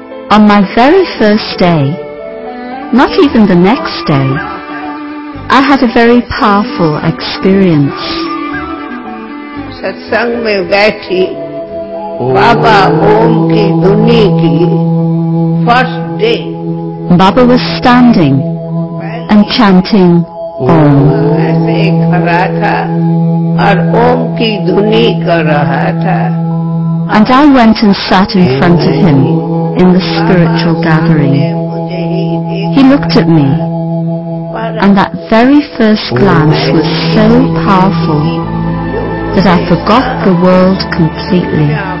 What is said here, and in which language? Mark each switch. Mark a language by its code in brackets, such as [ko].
[en] On my very first day, not even the next day, I had a very powerful experience. [hi] सत्संग में बैठी, बाबा ओम की दुनी की [en] first day. Baba was standing and chanting Om. [hi] ऐसे खड़ा था और ओम की दुनी कर रहा था. [en] And I went and sat in front of him in the spiritual gathering. He looked at me, and that very first glance was so powerful that I forgot the world completely.